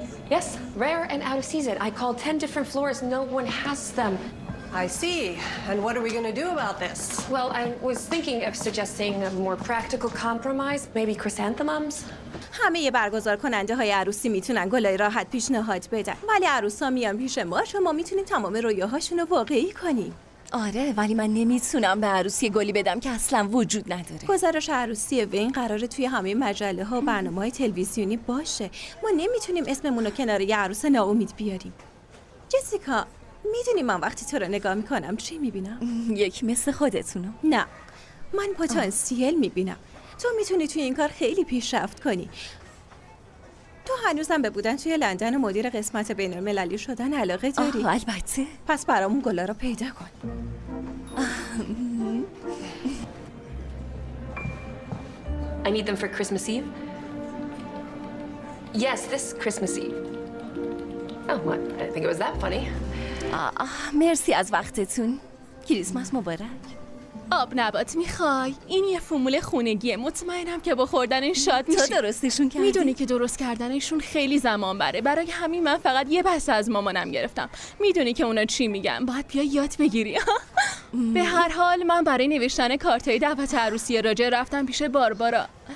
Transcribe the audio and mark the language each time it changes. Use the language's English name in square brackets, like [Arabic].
[English] Yes, rare and out of season. I called 10 different florists, no one has them. I see. And what are we going to do about this? Well, I was thinking of suggesting a more practical compromise, maybe chrysanthemums. [Persian] همه برگزار کننده های عروسی میتونن گلای راحت پیشنهاد بدن، ولی عروس ها میان پیش ما، شما میتونیم تمام رویاهاشون رو واقعی کنیم. آره، ولی من نمیتونم به عروسی گلی بدم که اصلا وجود نداره. گزارش عروسی وین قراره توی همه مجله ها و برنامه های تلویزیونی باشه. ما نمیتونیم اسممون رو کنار یه عروس ناامید بیاریم. جسیکا، میدونی من وقتی تو رو نگاه میکنم چی میبینم؟ یک مثل خودتونو؟ نه، من پتانسیل میبینم. تو میتونی توی این کار خیلی پیشرفت کنی. تو هنوزم به بودن توی لندن و مدیر قسمت بین المللی شدن علاقه داری؟ آه البته. پس برامون گلا رو پیدا کن. [English] I need them for Christmas Eve. Yes, this Christmas Eve. Oh, I didn't think it was that funny. [Persian] مرسی از وقتتون. کریسمس مبارک. آب نبات میخوای؟ این یه فرمول خونگیه، مطمئنم که با خوردنش شاد میشی. تو درستشون کردی؟ میدونی که درست کردنشون خیلی زمان بره، برای همین من فقط یه بسته از مامانم گرفتم. میدونی که اونا چی میگن، باید بیا یاد بگیری. به هر حال من برای نوشتن کارتای دعوت عروسی راجر رفتم پیش باربارا.